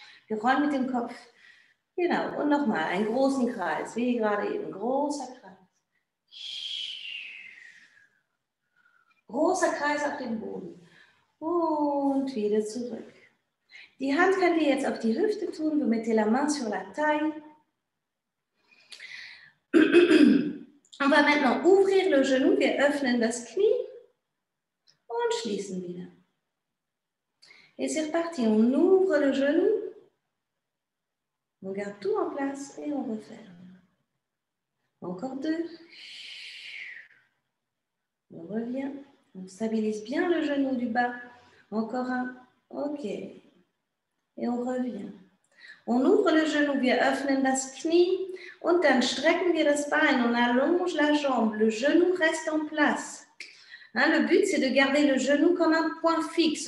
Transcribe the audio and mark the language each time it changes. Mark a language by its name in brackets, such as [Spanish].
[German] Wir rollen mit dem Kopf. Genau. Und nochmal einen großen Kreis. Wie gerade eben. Großer Kreis. Großer Kreis auf dem Boden. Und wieder zurück. Die Hand könnt ihr jetzt auf die Hüfte tun. [French] Vous mettez la main sur la taille. On va maintenant ouvrir le genou. [German] Wir öffnen das Knie. Und schließen wieder. [French] Et c'est reparti. On ouvre le genou. On garde tout en place. Et on referme. Encore deux. On revient. On stabilise bien le genou du bas. Encore un. Ok. Et on revient. On ouvre le genou, [German] wir öffnen das Knie und dann strecken wir das Bein, [French] on allonge la jambe, le genou reste en place. Hein, le but, c'est de garder le genou comme un point fixe.